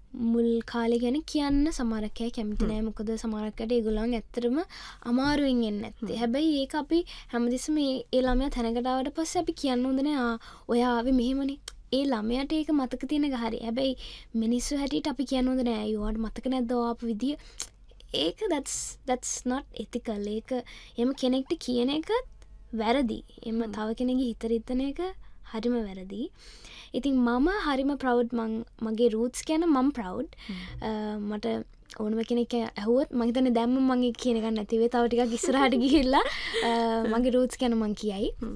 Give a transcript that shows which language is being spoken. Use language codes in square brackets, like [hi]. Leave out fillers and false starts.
[si] මුල් කාලේ ගැන කියන්න සමහරක් අය කැමති නෑ. මොකද සමහරක් අය ඒගොල්ලන් ඇත්තටම අමාරුවෙන් එන්නේ නැත්තේ. හැබැයි ඒක අපි හැමදෙස්සම ඒ ළමයා තැනකට ආවට පස්සේ අපි කියන්න හොඳ නෑ, ආ ඔයා ආවේ මෙහෙමනේ. ඒ ළමයාට ඒක මතක තියෙන ගහරි. හැබැයි මිනිස්සු හැටියට අපි කියන්න හොඳ නෑ, ඔයාට මතක නැද්ද ඔය ආපු විදිය. ඒක [en] that's not ethical. [si] ඒක එහෙම කෙනෙක්ට කියන එකත් වැරදි, එහෙම තව කෙනෙක්ගේ හිත රිද්දන එක හරිම වැරදි. ඉතින් මම හරිම ප්‍රවුඩ් මං මගේ රූට්ස් ගැන මම ප්‍රවුඩ්. මට ඕනම කෙනෙක් ඇහුවොත් මං හිතන්නේ දැම්ම මගේ කියන එක නැති වේ, තව ටිකක් ඉස්සරහට ගිහිල්ලා මගේ රූට්ස් ගැන මං කියයි.